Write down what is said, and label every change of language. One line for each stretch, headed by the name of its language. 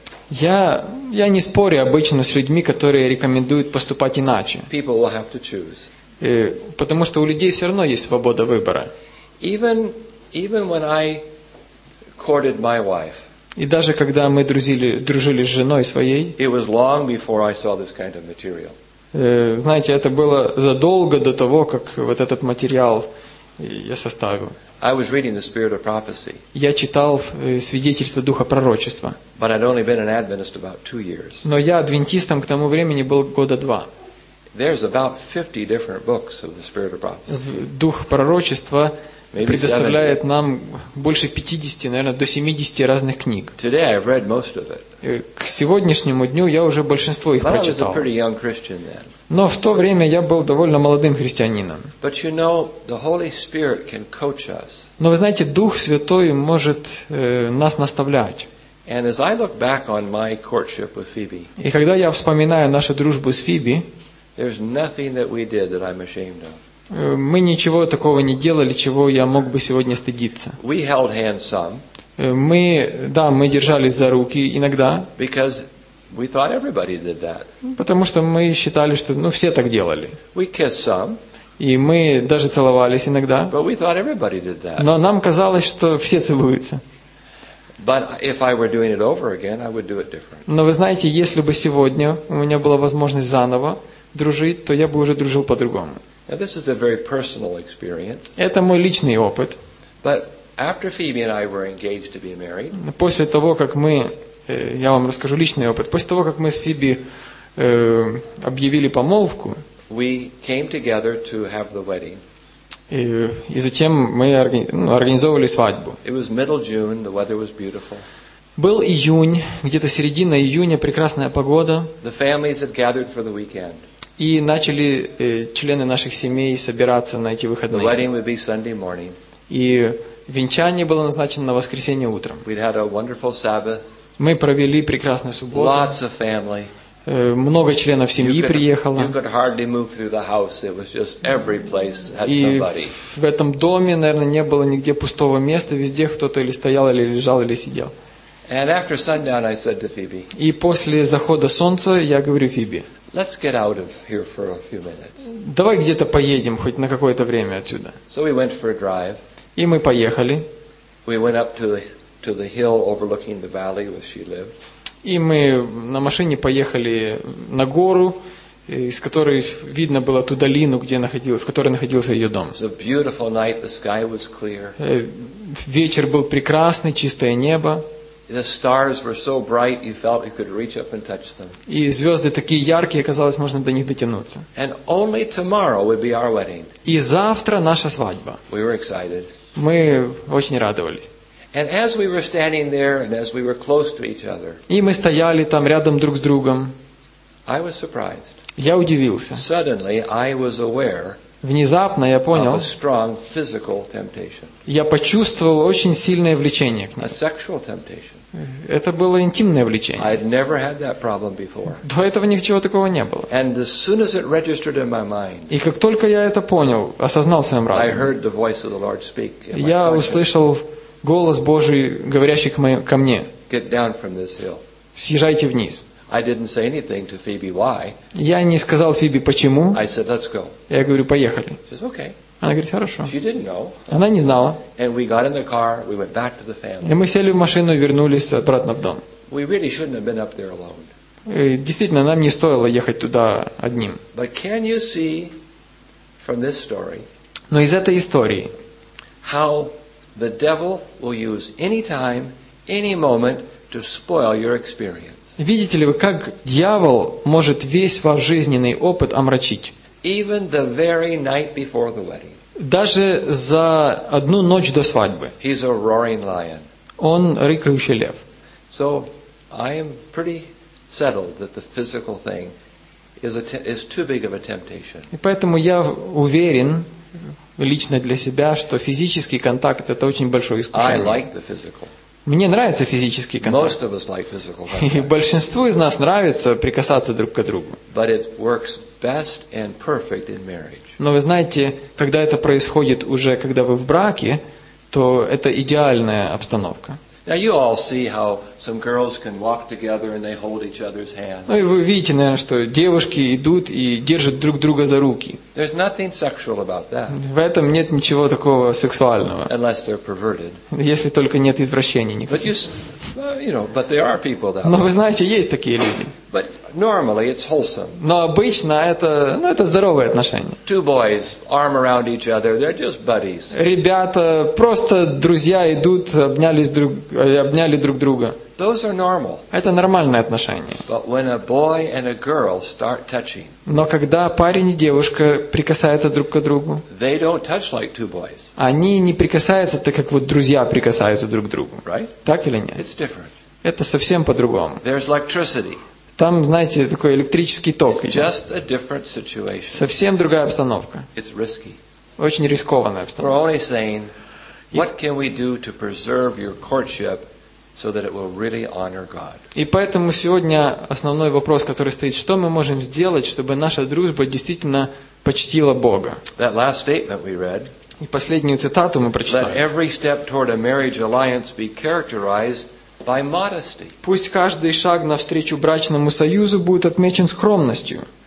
Russian: Я не спорю обычно с людьми, которые рекомендуют поступать иначе.
English: People will have to choose.
Russian: Потому что у людей все равно есть свобода выбора.
English: Even when I courted my wife,
Russian: и даже когда мы дружили с женой своей,
English: it was long before I saw this kind of material.
Russian: Знаете, это было задолго до того, как вот этот материал я составил.
English: I was reading the Spirit of Prophecy.
Russian: Я читал свидетельство Духа Пророчества.
English: But I'd only been an Adventist about 2 years.
Russian: Но я адвентистом к тому времени был года два.
English: There's about 50 different books of the Spirit of Prophecy.
Russian: Дух Пророчества предоставляет нам больше 50, наверное, до 70 разных книг.
English: Today I've read most of it.
Russian: К сегодняшнему дню я уже большинство их прочитал.
English: But I was a pretty young Christian then.
Russian: Но в то время я был довольно молодым христианином.
English: But you know, the Holy Spirit can coach us.
Russian: Но вы знаете, Дух Святой может нас наставлять.
English: And as I look back on my courtship with Phoebe.
Russian: И когда я вспоминаю нашу дружбу с Фиби,
English: there's nothing that we did that I'm ashamed of.
Russian: Мы ничего такого не делали, чего я мог бы сегодня стыдиться.
English: We held hands some.
Russian: Мы держались за руки иногда.
English: Because we thought everybody did that.
Russian: Потому что мы считали, что все так делали.
English: We kissed some.
Russian: И мы даже целовались иногда.
English: But we thought everybody did that.
Russian: Но нам казалось, что все целуются.
English: But if I were doing it over again, I would do it different.
Russian: Но вы знаете, если бы сегодня у меня была возможность заново дружить, то я бы уже дружил по-другому.
English: Now, this is a very personal experience.
Russian: Это мой личный опыт.
English: But after Phoebe and I were engaged to be married.
Russian: После того, как мы, я вам расскажу личный опыт. После того, как мы с Фиби объявили помолвку,
English: we came together to have the wedding.
Russian: И затем мы организовывали свадьбу.
English: It was middle June, the weather was beautiful.
Russian: Был июнь, где-то середина июня, прекрасная погода.
English: The families had gathered for the weekend.
Russian: И начали члены наших семей собираться на эти выходные.
English: The wedding would be Sunday morning.
Russian: И венчание было назначено на воскресенье утром.
English: We'd had a wonderful Sabbath.
Russian: Мы провели прекрасную субботу.
English: Lots of family.
Russian: Много членов семьи приехало.
English: You could hardly move through the house. It was just every place had somebody.
Russian: И в этом доме, наверное, не было нигде пустого места. Везде кто-то или стоял, или лежал, или сидел.
English: And after sundown, I said to Phoebe.
Russian: И после захода солнца я говорю Фиби.
English: Let's get out of here for a few minutes.
Russian: Давай где-то поедем хоть на какое-то время отсюда.
English: So we went for a drive.
Russian: И мы поехали.
English: We went up to the hill overlooking the valley where she lived.
Russian: И мы на машине поехали на гору, из которой видно было ту долину, в которой находился ее дом.
English: It was a beautiful night. The sky was clear.
Russian: Вечер был прекрасный, чистое небо.
English: The stars were so bright you felt you could reach up and touch them.
Russian: И звезды такие яркие, казалось, можно до них дотянуться.
English: And only tomorrow would be our wedding.
Russian: И завтра наша свадьба.
English: We were excited.
Russian: Мы очень радовались.
English: And as we were standing there and as we were close to each other.
Russian: И мы стояли там рядом друг с другом.
English: I was surprised.
Russian: Я удивился.
English: Suddenly I was aware.
Russian: Внезапно я понял.
English: Of a strong physical temptation.
Russian: Я почувствовал очень сильное влечение к ней.
English: A sexual temptation.
Russian: Это было интимное влечение.
English: I had never had that problem before.
Russian: До этого ничего такого не было.
English: And as soon as it registered in my mind.
Russian: И как только я это понял, осознал в своем разуме.
English: I heard the voice of the Lord speak in my conscience.
Russian: Я услышал голос Божий, говорящий ко мне.
English: Get down from this hill.
Russian: Съезжайте вниз.
English: I didn't say anything to Phoebe. Why?
Russian: Я не сказал Фиби почему.
English: I said, let's go.
Russian: Я говорю, поехали.
English: She says, okay.
Russian: Она говорит, хорошо.
English: She didn't know.
Russian: Она не знала.
English: And we got in the car. We went back to the family.
Russian: И мы сели в машину и вернулись обратно в дом.
English: We really shouldn't have been up there alone.
Russian: Действительно, нам не стоило ехать туда одним.
English: But can you see from this story?
Russian: Но из этой истории.
English: How the devil will use any time, any moment to spoil your experience.
Russian: Видите ли вы, как дьявол может весь ваш жизненный опыт омрачить?
English: Even the very night before the wedding.
Russian: Даже за одну ночь до свадьбы.
English: He's a roaring lion.
Russian: Он рыкающий лев.
English: So I am pretty settled that the physical thing is too big of a temptation.
Russian: И поэтому я уверен лично для себя, что физический контакт это очень большое искушение.
English: I like the physical.
Russian: Мне нравится физический контакт.
English: Most of us like physical contact.
Russian: И большинству из нас нравится прикасаться друг к другу.
English: But it works best and perfect in marriage.
Russian: Но вы знаете, когда это происходит уже, когда вы в браке, то это идеальная обстановка.
English: Now you all see how some girls can walk together and they hold each other's hands.
Russian: Ну и вы видите, наверное, что девушки идут и держат друг друга за руки.
English: There's nothing sexual about that.
Russian: В этом нет ничего такого сексуального.
English: Unless they're perverted.
Russian: Если только нет извращений никаких.
English: But you know, but there are people that.
Russian: Но вы знаете, есть такие люди.
English: But normally it's wholesome.
Russian: Но обычно это, ну, это здоровые отношения.
English: Two boys arm around each other. They're just buddies.
Russian: Ребята просто друзья идут, обняли друг друга.
English: Those are normal.
Russian: Это нормальные отношения.
English: But when a boy and a girl start touching.
Russian: Но когда парень и девушка прикасаются друг к другу.
English: They don't touch like two boys.
Russian: Они не прикасаются так, как вот друзья прикасаются друг к другу.
English: Right?
Russian: Так или нет?
English: It's different.
Russian: Это совсем по-другому.
English: There's electricity.
Russian: Там, знаете, такой электрический ток.
English: It's just a different situation.
Russian: Совсем другая обстановка.
English: It's risky.
Russian: Очень рискованная обстановка.
English: We're only saying, what can we do to preserve your courtship so that it will really honor God?
Russian: И поэтому сегодня основной вопрос, который стоит, что мы можем сделать, чтобы наша дружба действительно почтила Бога?
English: That last statement we read.
Russian: И последнюю цитату мы прочитали.
English: Let every step toward a marriage alliance be characterized by modesty.
Russian: Пусть каждый шаг навстречу брачному союзу будет отмечен скромностью.